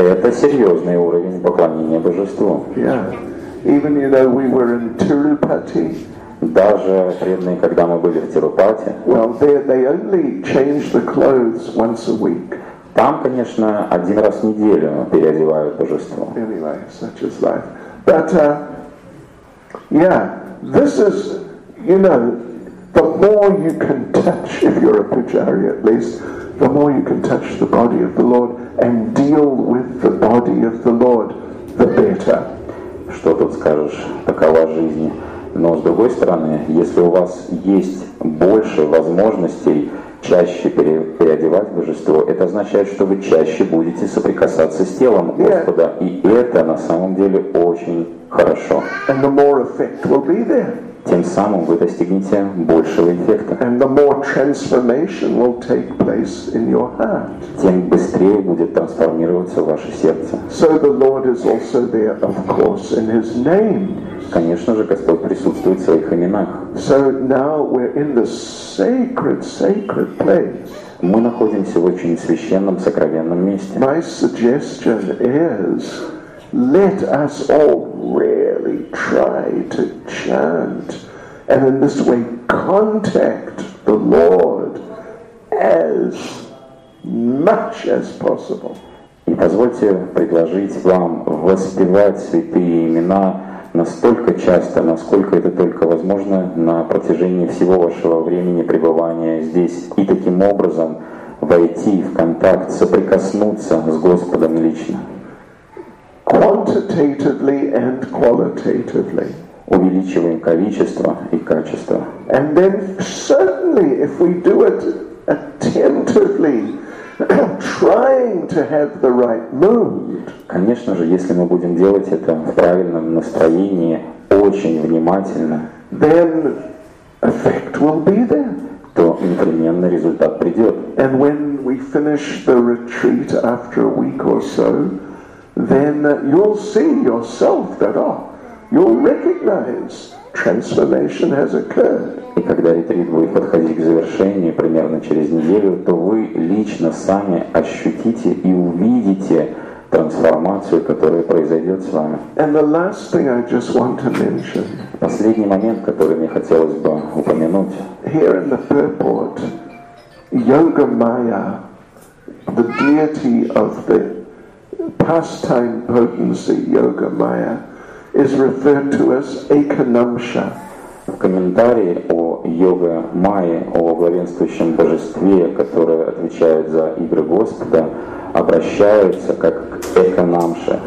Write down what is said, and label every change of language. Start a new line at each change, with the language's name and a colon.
Russian: Это серьезный уровень поклонения божеству.
English: Even you know we were in Tirupati.
Russian: Даже преданные, когда мы были в Тирупати.
English: Well, they only change the clothes once a week.
Russian: Там, конечно, один раз в неделю переодевают божество.
English: Anyway, such is life. But this is, you know, the more you can touch, if you're a pujari at least, the more you can touch the body of the Lord and deal with the body of the Lord, the better.
Russian: Что тут скажешь? Такова жизнь. Но с другой стороны, если у вас есть больше возможностей чаще переодевать божество, это означает, что вы чаще будете соприкасаться с телом Господа. И это на самом деле очень хорошо.
English: And the more effect will be there.
Russian: Тем самым вы достигнете большего эффекта.
English: And the more transformation will take place in your heart.
Russian: Тем быстрее будет трансформироваться ваше сердце.
English: So the Lord is also there, of course, in His name.
Russian: Конечно же, Господь присутствует в своих именах.
English: So now we're in the sacred, sacred place.
Russian: Мы находимся в очень священном, сокровенном месте.
English: My suggestion is, let us all really try to chant and in this way contact the Lord as much as possible.
Russian: И позвольте предложить вам воспевать святые имена настолько часто, насколько это только возможно на протяжении всего вашего времени пребывания здесь, и таким образом войти в контакт, соприкоснуться с Господом лично.
English: Quantitatively and qualitatively.
Russian: Увеличиваем количество и качество.
English: And then certainly if we do it attentively, trying to have the right mood.
Russian: Конечно же, если мы будем делать это в правильном настроении, очень внимательно,
English: then effect will be there.
Russian: То непременно результат придет.
English: And when we finish the retreat after a week or so, then you'll see yourself that you'll recognize transformation has occurred.
Russian: И когда ретрит будет подходить к завершению, примерно через неделю, то вы лично сами ощутите и увидите трансформацию, которая произойдет с вами.
English: And the last thing I just want to mention.
Russian: Последний момент, который мне хотелось бы упомянуть.
English: Here in the purport, Yoga Maya, the deity of the pastime potency, Yoga Maya, is referred to as Ekanamsha.
Russian: В комментарии о йога Майе, о главенствующем божестве, которое отвечает за игры Господа, обращается как Эканамша.